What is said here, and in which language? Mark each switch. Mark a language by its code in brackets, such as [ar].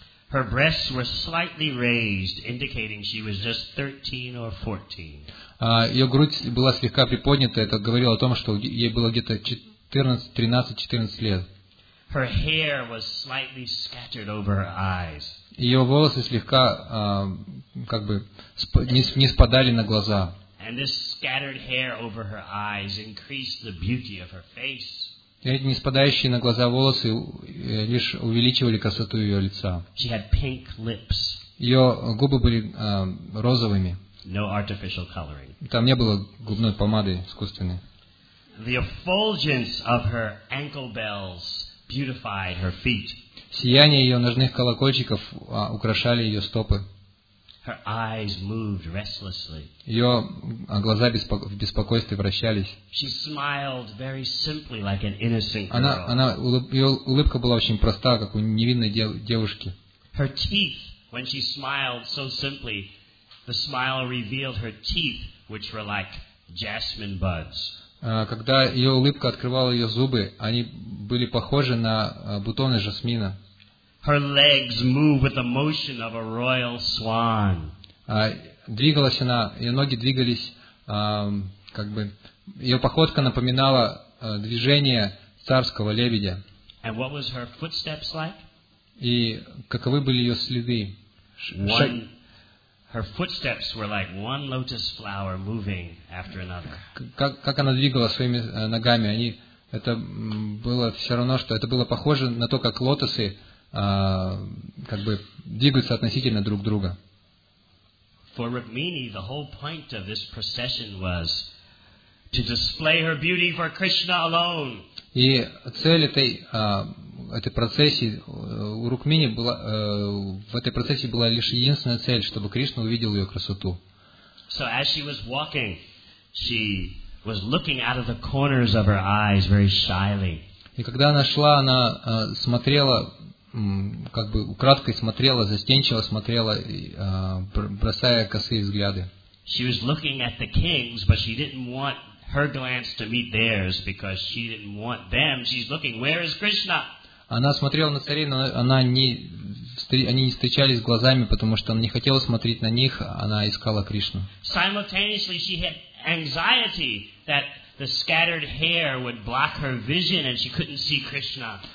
[en] Her breasts were slightly raised, indicating she was just 13 or 14. [ru] Ее грудь была слегка приподнята, это говорило о том, что ей было где-то 13-14 лет. [en] Her hair was slightly scattered over her eyes. [ru] Ее волосы слегка как бы не спадали на глаза. [en] And this scattered hair over her eyes increased the beauty of her face. [ru] Эти не спадающие на глаза волосы лишь увеличивали красоту ее лица. [en] She had pink lips. [ru] Ее губы были розовыми. [en] No artificial coloring. [ru] Там не было губной помады искусственной. [en] The effulgence of her ankle bells beautified her feet. [ru] Сияние ее ножных колокольчиков украшали ее стопы. [en] Her eyes moved restlessly. [ru] Ее глаза в беспокойстве вращались. [en] She smiled very simply, like an innocent girl. [ru] Ее улыбка была очень проста, как у невинной девушки. [en] Her teeth, when she smiled so simply, the smile revealed her teeth, which were like jasmine buds. [ru] Когда ее улыбка открывала ее зубы, они были похожи на бутоны жасмина. [en] Her legs move with the motion of a royal swan. [ru] Двигалась она, ее ноги двигались, как бы ее походка напоминала движение царского лебедя. [en] And what was her footsteps like? [ru] И каковы были ее следы? [en] Her footsteps were like one lotus flower moving after another. [ru] Как она двигала своими ногами? Это было все равно, что это было похоже на то, как лотосы как бы двигаются относительно друг друга. [en] For Rukmini, the whole point of this procession was to display her beauty for Krishna alone. [ru] И цель этой процессии у Рукмини была в этой процессии была лишь единственная цель, чтобы Кришна увидел ее красоту. [en] So as she was walking, she was looking out of the corners of her eyes very shyly. [ru] И когда она шла, она смотрела как бы украдкой смотрела, застенчиво смотрела, бросая косые взгляды. [en] She was looking at the kings, but she didn't want her glance to meet theirs because she didn't want them. She's looking, where is Krishna? [ru] Она смотрела на царей, но они не встречались глазами, потому что она не хотела смотреть на них, она искала Кришну. [en] Simultaneously, she had anxiety that the scattered hair would block her vision and she couldn't see Krishna.